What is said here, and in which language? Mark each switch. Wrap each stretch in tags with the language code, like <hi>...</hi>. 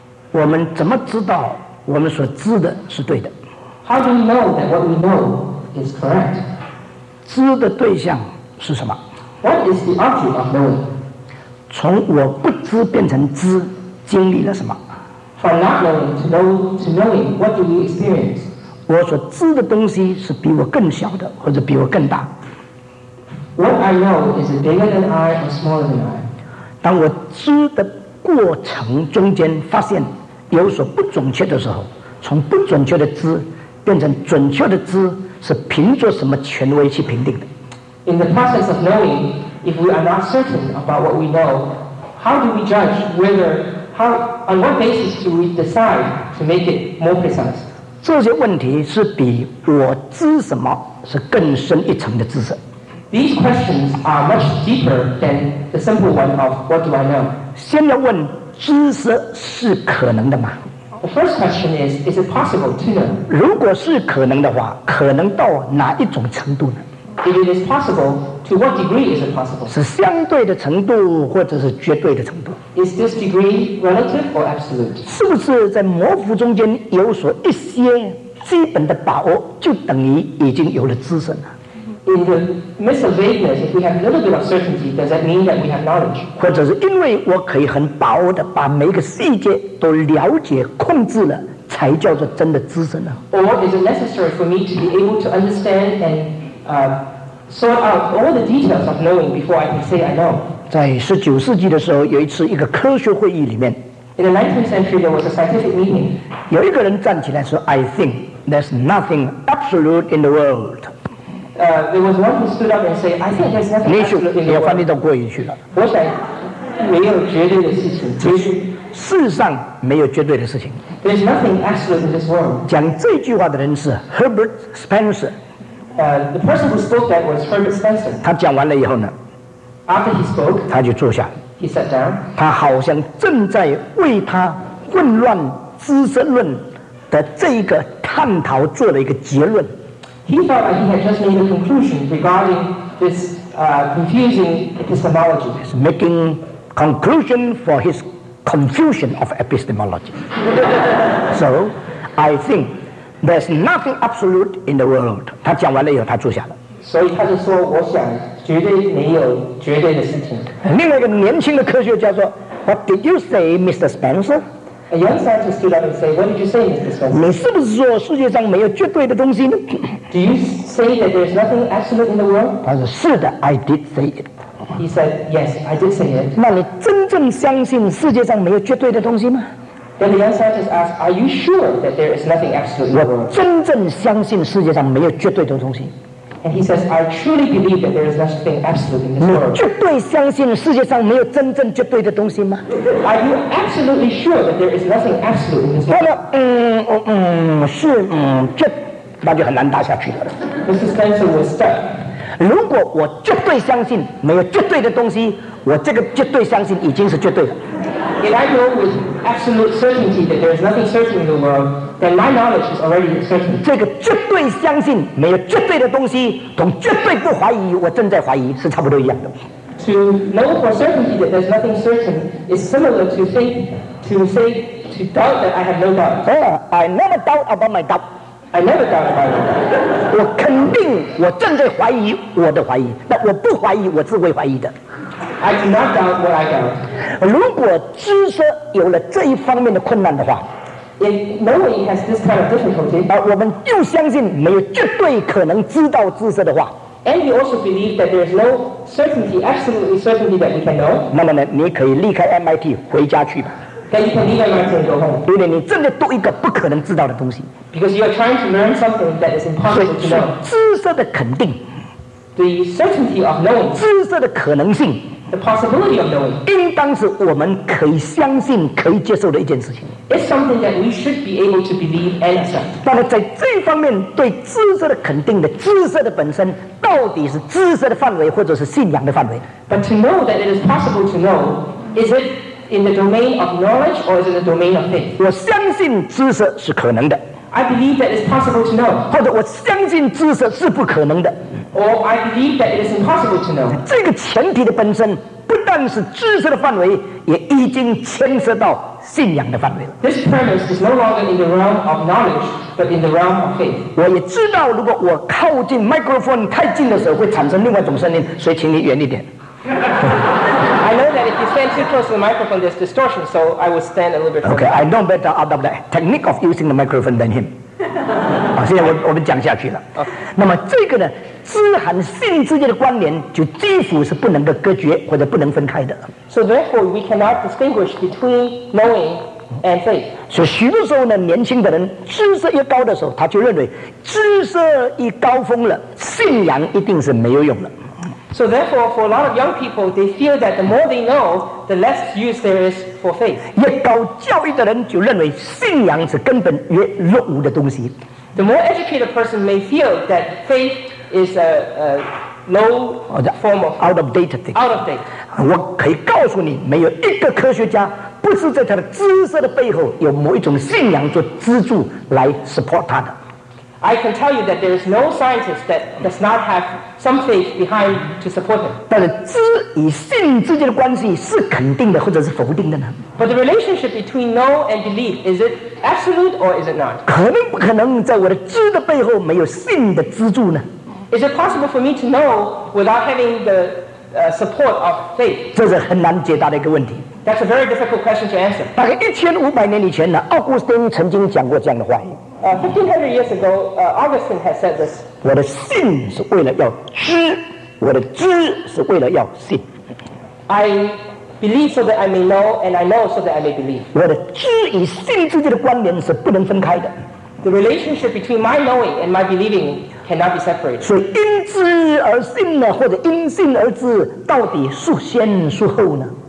<zh>我们怎么知道我们所知的是对的？</zh> <en>How do we know that what we know is correct?</en> <zh>知的对象是什么？</zh> <en>What is the object of knowing?</en> <zh>从我不知变成知，经历了什么？</zh> <en>From not knowing to knowing, what do we experience?</en> <zh>我所知的东西是比我更小的，或者比我更大。</zh> <en>What I know is it bigger than I or smaller than I?</en> <zh>当我知的过程中间发现有所不准确的时候，从不准确的知变成准确的知，是凭着什么权威去评定的？</zh> <en>In the process of knowing, if we are not certain about what we know, how do we judge whether? On what basis do we decide to make it more precise?</en> <zh>这些问题是比我知什么是更深一层的知识。</zh> <en>These questions are much deeper than the simple one of what do I know?</en> <zh>先要问知识是可能的吗？</zh> <en>The first question is it possible to know?</en> <zh>如果是可能的话，可能到哪一种程度呢？</zh> <en>If it is possible, to what degree is it possible?</en> <zh>是相对的程度，或者是绝对的程度？</zh> <en>Is this degree relative or absolute?</en> <zh>是不是在模糊中间有所一些基本的把握，就等于已经有了知识呢？</zh> <en>In the midst of vagueness, if we have a little bit of certainty, does that mean that we have knowledge?</en> <zh>或者是因为我可以很把握的把每个细节都了解控制了，才叫做真的知识呢？</zh> <en>Or is it necessary for me to be able to understand and sort out all the details of knowing before I can say I know?</en> <zh>在十九世纪的时候，有一次一个科学会议里面</zh> <en>，In the 19th century there was a scientific meeting.</en> <zh>有一个人站起来说</zh> <en>，I think there's nothing absolute in the world. There was one who stood up and said, I think there's nothing absolute in the world.</en> <zh>你要翻译到国语去了。我想没有绝对的事情。事实上没有绝对的事情。</zh> <en>There's nothing absolute in this world.</en> <zh>讲这句话的人是 Herbert Spencer.</zh> <en>The person who spoke that was Herbert Spencer.</en> <zh>他讲完了以后呢？</zh> <en>After he spoke,</en> <zh>他就坐下。</zh> <en>He sat down.</en> <zh>他好像正在为他混乱知识论的这一个探讨做了一个结论。</zh> <en>He thought that he had just made a conclusion regarding this confusing epistemology. He's making conclusion for his confusion of epistemology. So, I think there's nothing absolute in the world.</en> <zh>他讲完了以后，他坐下了。所以他就说，我想绝对没有绝对的事情。另外一个年轻的科学家说</zh> <en>，What did you say, Mr. Spencer? A young scientist stood up and said, What did you say, Mr. Spencer?</en> <zh>你是不是说世界上没有绝对的东西呢</zh> <en>？Do you say that there's nothing absolute in the world?</en> <zh>他说是的</zh> <en>，I did say it. He said, Yes, I did say it.</en> <zh>那你真正相信世界上没有绝对的东西吗？</zh> <en>Then the young scientist asked, Are you sure that there is nothing absolute in the world?</en> <zh>我真正相信世界上没有绝对的东西。</zh> <en>And he says, I truly believe that there is nothing absolute in this world.</en> <zh>你绝对相信世界上没有真正绝对的东西吗？</zh> <en>Are you absolutely sure that there is nothing absolute in this world?</en> <zh>他说，是，这，那就很难答下去了。</zh> <en>Mr. Spencer was stuck.</en> <zh>如果我绝对相信没有绝对的东西，我这个绝对相信已经是绝对的。</zh> <en>If I know with absolute certainty that there is nothing certain in the world,Then my knowledge is already certain.</en> <zh>这个绝对相信没有绝对的东西，同绝对不怀疑我正在怀疑是差不多一样的。</zh> <en>To know for certainty that there's nothing certain is similar to doubt that I have no doubt. I never doubt about my doubt. I never doubt about my doubt.</en> <zh>我肯定我正在怀疑我的怀疑，但我不怀疑我自会怀疑的。</zh> <en>I do not doubt what I doubt.</en> <zh>如果知识有了这一方面的困难的话。</zh> <en>If knowing has this kind of difficulty,</en> <zh>我们就相信没有绝对可能知道知识的话。</zh> <en>And you also believe that there is no certainty, absolutely certainty that we can know.</en> <zh>那么呢，你可以离开 MIT 回家去吧。</zh> <en>Then you can leave MIT and go home.</en> <zh>因为你正在读一个不可能知道的东西。</zh> <en>Because you are trying to learn something that is impossible to know.</en> <zh>知识的肯定。</zh> <en>The certainty of knowing.</en> <zh>知识的可能性。</zh> <en>The possibility of knowing.</en> <zh>应当是我们可以相信、可以接受的一件事情。</zh> <en>It's something that we should be able to believe and accept.</en> <zh>那么在这方面对知识的肯定的知识的本身到底是知识的范围或者是信仰的范围</zh> <en>But to know that it is possible to know, is it in the domain of knowledge or is it the domain of faith?</en> <zh>我相信知识是可能的。</zh> <en>I believe that it's possible to know.</en> <zh>或者我相信知识是不可能的。</zh> <en>Or I believe that it is impossible to know.</en> <zh>这个前提的本身不但是知识的范围，也已经牵涉到信仰的范围了。</zh> <en>This premise is no longer in the realm of knowledge, but in the realm of faith.</en> <zh>我也知道，如果我靠近microphone太近的时候，会产生另外一种声音，所以请你远一点。</zh> <en>I know that if you stand too close to the microphone, there's distortion, so I will stand a little bit. Okay, I know better about the technique of using the microphone than him.</en> <zh>好，现在我们讲下去了。</zh> <en>Okay.</en> <zh>那么这个呢，知和信之间的关联就几乎是不能够隔绝或者不能分开的。</zh> <en>So therefore, we cannot distinguish between knowing and faith.</en> <zh>所以许多时候呢，年轻的人知识越高的时候，他就认为知识一高峰了，信仰一定是没有用了。</zh> <en>So therefore, for a lot of young people, they feel that the more they know, the less use there is for faith.</en> <zh>越高教育的人就认为信仰是根本越落伍的东西。</zh> <en>The more educated person may feel that faith is a low form of out of date thing. Out of date.</en> <zh>我可以告诉你，没有一个科学家不是在他的知识的背后有某一种信仰做支柱来 support 他的。</zh> <en>I can tell you that there is no scientist that does not have some faith behind to support him.</en> <zh>但是知与信之间的关系是肯定的，或者是否定的呢</zh> <en>？But the relationship between know and believe is it absolute or is it not?</en> <zh>可能不可能在我的知的背后没有信的支柱呢</zh> <en>？Is it possible for me to know without having the support of faith?</en> <zh>这是很难解答的一个问题。</zh> <en>That's a very difficult question to answer.</en> <zh>大概1500年以前呢，奥古斯丁曾经讲过这样的话语。</zh> <en>1500 years ago, Augustine had said this.</en> <zh>我的信是为了要知，我的知是为了要信。</zh> <en>I believe so that I may know, and I know so that I may believe.</en> <zh>我的知与信之间的关联是不能分开的。</zh> <en>The relationship between my knowing and my believing cannot be separated.</en> <zh>所以因知而信呢，或者因信而知，到底孰先孰后呢？</zh>